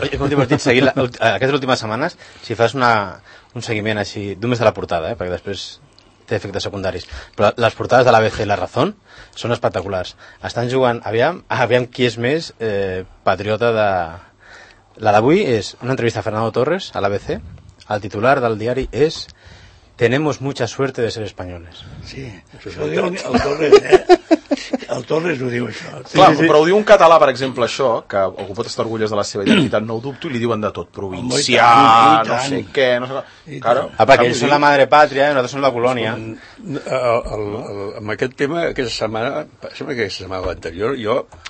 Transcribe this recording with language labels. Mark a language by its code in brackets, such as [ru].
[ca] És molt divertit seguir aquestes últimes setmanes, si fas un seguiment així, només de la portada, perquè després té efectes secundaris. Però les portades de l'ABC i La Razón són espectaculars. Estan jugant, aviam qui és més patriota de... La d'avui és una entrevista a Fernando Torres, a l'ABC. El titular del diari és... [es] tenemos mucha suerte de ser españoles. [ca] Sí, això ho diu el Torres, eh? El Torres ho diu, això. Sí, clar, sí. Però ho diu un català, per exemple, això, que algú pot estar orgullós de la seva identitat, no ho dubto, i li diuen de tot, província, no sé què, no sé què. Ah, perquè ells són la madre pàtria, i nosaltres som la colònia. Amb aquest tema, aquesta setmana, sembla que aquesta setmana anterior, jo...